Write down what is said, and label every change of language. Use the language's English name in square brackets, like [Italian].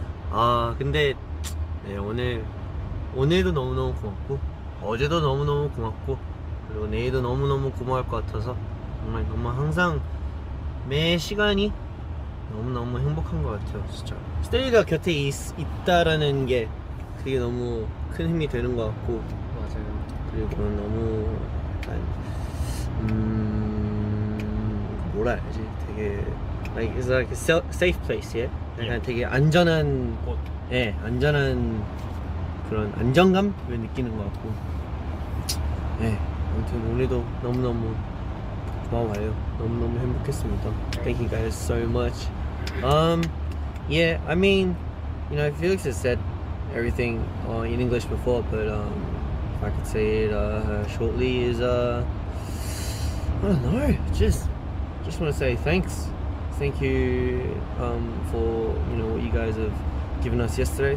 [Korean] 아 근데 네, 오늘도 너무너무 고맙고 어제도 너무너무 고맙고 그리고 내일도 너무너무 고마울 것 같아서 정말 너무 항상 매 시간이 너무너무 행복한 것 같아요. 진짜 스테이가 곁에 있다라는 게 그게 너무 큰 힘이 되는 것 같고. 맞아요. 그리고 너무 약간 뭐라 해야 되지? 되게 [English] like it's like a safe place, yeah? [Korean] 그냥 yeah. 되게 안전한 곳. 예, 네, 안전한 그런 안정감을 느끼는 것 같고. 예. 네. 아무튼 오늘도 너무너무 고마워요. 너무너무 행복했습니다. [English] Thank you guys so much. Yeah, I mean, you know, Felix has said everything in English before, but if I could say it shortly is, I don't know, just want to say thanks. Thank you for, you know, what you guys have given us yesterday.